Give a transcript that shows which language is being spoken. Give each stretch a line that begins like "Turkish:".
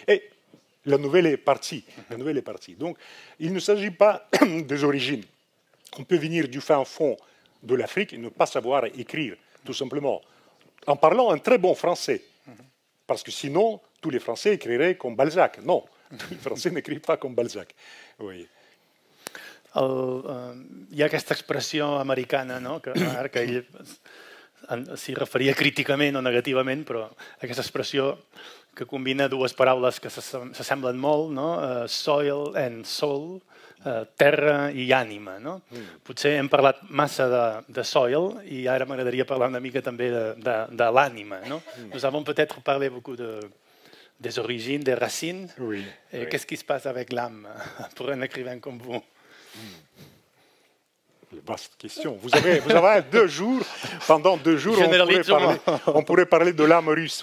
French: Et la nouvelle est partie. La nouvelle est partie. Donc, il ne s'agit pas des origines. On peut venir du fin fond de l'Afrique et ne pas savoir écrire, tout simplement, en parlant un très bon français. Parce que sinon, tous les Français écriraient comme Balzac. Non, tous les Français n'écrivent pas comme Balzac. Oui.
Catalan: Hi ha aquesta expressió americana, no? que ell s'hi referia críticament o negativament, però aquesta expressió que combina dues paraules que s'assemblen molt, no?
English: Soil and soul,
Catalan: terra i ànima. No? Potser hem parlat massa de soil i ara m'agradaria parlar una mica també de l'ànima. No?
French: Nous avons peut-être parlé beaucoup des origines, des racines. Oui, et oui. Qu'est-ce qui se passe avec l'âme pour un écrivain comme vous? Vaste question. Vous avez deux jours, pendant deux jours, on pourrait parler de l'âme russe.